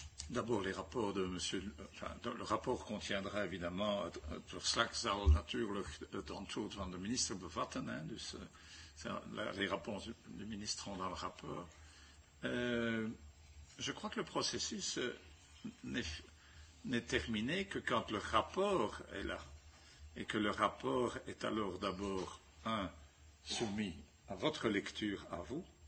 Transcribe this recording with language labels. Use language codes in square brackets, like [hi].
[fr] D'abord, les rapports de monsieur. Enfin, le rapport contiendra évidemment. [nl] Verslag zal natuurlijk het antwoord van de minister bevatten. [fr] Hein, dus les réponses du ministre sont dans le rapport. Je crois que le processus n'est terminé que quand le rapport est là. Et que le rapport est alors d'abord, soumis à votre lecture, à vous.